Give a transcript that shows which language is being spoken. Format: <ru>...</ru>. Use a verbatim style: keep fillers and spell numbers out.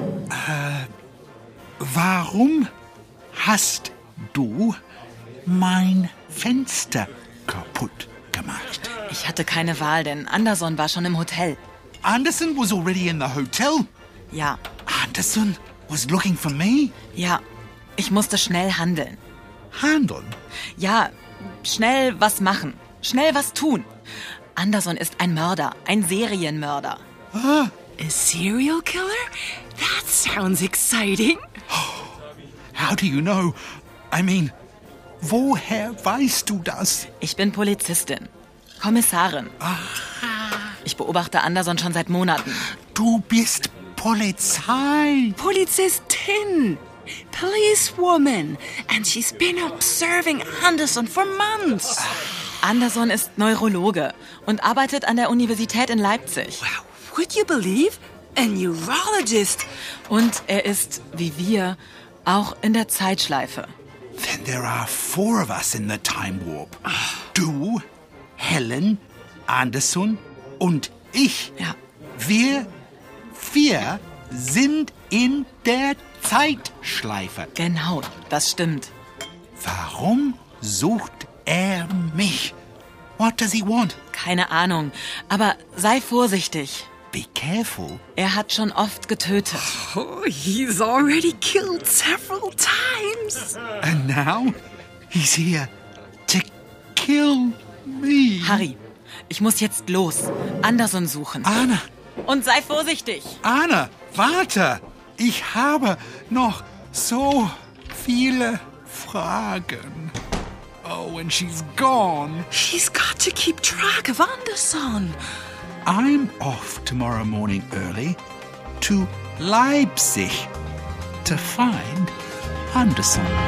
<de>Äh, warum hast du mein Fenster kaputt gemacht? Ich hatte keine Wahl, denn Anderson war schon im Hotel.</de> <en>Anderson was already in the hotel?</en> <de>Ja.</de> <en>Anderson was looking for me?</en> <de>Ja, ich musste schnell handeln. Handeln? Ja, schnell was machen, schnell was tun. Anderson ist ein Mörder, ein Serienmörder. Ah.</de> <en>A serial killer? That sounds exciting. How do you know? I mean,</en> <de>woher weißt du das? Ich bin Polizistin, Kommissarin. Aha. Ich beobachte Anderson schon seit Monaten. Du bist Polizei. Polizistin.</de> <en>Policewoman. And she's been observing Anderson for months.</en> <de>Anderson ist Neurologe und arbeitet an der Universität in Leipzig.</de> <en>Wow. Would you believe? A neurologist.</en> <de>Und er ist, wie wir, auch in der Zeitschleife.</de> <en>Then there are four of us in the time warp.</en> <de>Du, Helen, Anderson und ich. Ja. Wir vier sind in der Zeitschleife. Genau, das stimmt. Warum sucht er mich?</de> <en>What does he want?</en> <de>Keine Ahnung, aber sei vorsichtig.</de> <en>Be careful.</en> <de>Er hat schon oft getötet.</de> <en>Oh, he's already killed several times. And now he's here to kill me.</en> <de>Harry, ich muss jetzt los. Anderson suchen. Anna. Und sei vorsichtig. Anna, warte. Ich habe noch so viele Fragen.</de> <en>Oh, and she's gone. She's got to keep track of Anderson. I'm off tomorrow morning early to Leipzig to find Anderson.</en>